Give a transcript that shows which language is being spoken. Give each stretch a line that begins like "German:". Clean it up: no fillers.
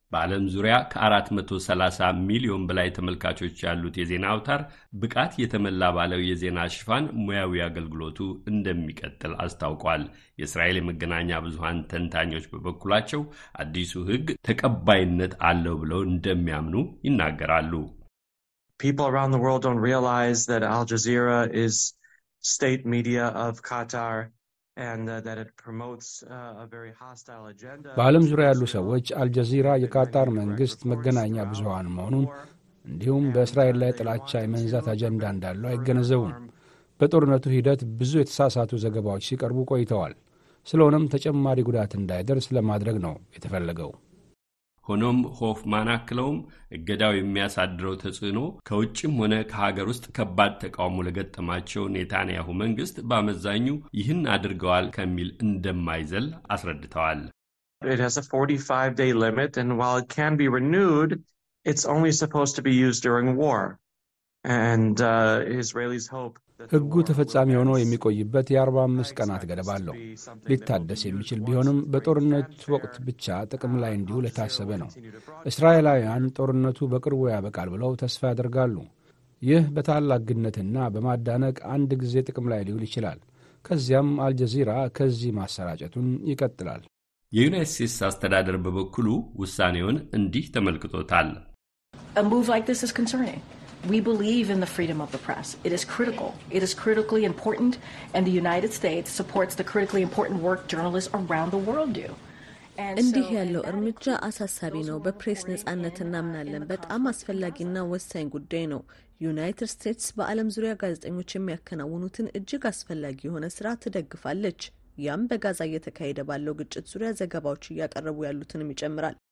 Amharic: በዓለም ዙሪያ ከ430 ሚሊዮን በላይ ተመልካቾች ያሉት የዜና አውታር ብቃት የተመላ ባለው የዜና ሽፋን ሙያዊ አገልግሎቱ እንደሚቀጥል አስታውቋል። የእስራኤል መገናኛ ብዙሃን ተንታኞች በበኩላቸው አዲሱ ህግ ተቀባይነት አለው ብለው እንደሚያምኑ ይናገራሉ።
English: People around the world don't realize that Al Jazeera is state media of Qatar. And that it promotes a very hostile agenda.
Amharic: በዓለም ዙሪያ ያሉ ሰዎች አልጀዚራ የካታር መንግስት መገናኛ ብዙሃን መሆኑን እንዲሁም በእስራኤል ላይ ጥላቻ የመንዛት አጀንዳ እንዳለው አይገነዘቡም። በጦርነቱ ሂደት ብዙ የተሳሳቱ ዘገባዎች ሲቀርቡ ቆይተዋል። ስለሆነም ተጨማሪ ጉዳት እንዳይደርስ ለማድረግ ነው የተፈለገው። ሆኖም ሆፍማን አክለውም እገዳው የሚያሳድረው ተጽዕኖ ከውጭም ሆነ ከሀገር ውስጥ ከባድ ተቃውሞ ለገጠማቸው ኔታንያሁ መንግስት በአመዛኙ ይህን አድርገዋል ከሚል እንደማይዘል አስረድተዋል።
English: It has a 45-day limit and while it can be renewed, it's only supposed to be used during war. And Israelis hope
Amharic: ህጉ ተፈጻሚ ሆኖ የሚቆይበት የ45 ቀናት ገደብ አለው። ሊታደስ የሚችል ቢሆንም በጦርነት ወቅት ብቻ ጥቅም ላይ እንዲውል ለታሰበ ነው። እስራኤላውያን ጦርነቱ በቅርቡ ያበቃል ብለው ተስፋ ያደርጋሉ። ይህ በታላቅነትና በማዳነቅ አንድ ጊዜ ጥቅም ላይ ሊውል ይችላል። ከዚያም አልጀዚራ ከዚህ ማሰራጨቱን ይቀጥላል። የዩናይትድ ስቴትስ አስተዳደር በበኩሉ ውሳኔውን እንዲህ ተመልክቶታል።
English: A move like this is concerning. We believe in the freedom of the press. It is critical. It is critically important, and the United States supports the critically important work journalists around the world do.
Amharic: እንዲህ ያለው እርምጃ አሳሳቢ ነው። በፕሬስ ነጻነት እናምናለን። በጣም አስፈላጊና ወሳኝ ጉዳይ ነው። ዩናይትድ ስቴትስ በዓለም ዙሪያ ጋዜጠኞች የሚያከናውኑትን እጅግ አስፈላጊ የሆነ ሥራ ትደግፋለች። ያም በጋዛ እየተካሄደ ባለው ግጭት ዙሪያ ዘገባዎች እያቀረቡ ያሉትንም ይጨምራል።